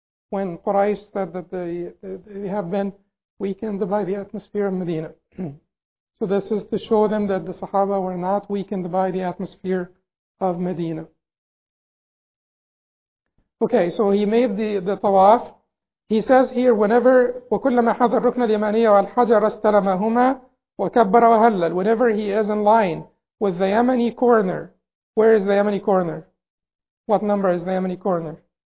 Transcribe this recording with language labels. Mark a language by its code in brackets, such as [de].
[en] When Quraysh said that they have been weakened by the atmosphere of Medina. So this is to show them that the Sahaba were not weakened by the atmosphere of Medina. Okay, so he made the tawaf. He says here, whenever, [ar] وَكُلَّمَا حَذَ الرُّكْنَ الْيَمَانِيَ وَالْحَجَرَ اسْتَلَمَهُمَا وَكَبَّرَ وَهَلَّلَ. [en] Whenever he is in line with the Yemeni corner. Where is the Yemeni corner? What number is the Yemeni corner?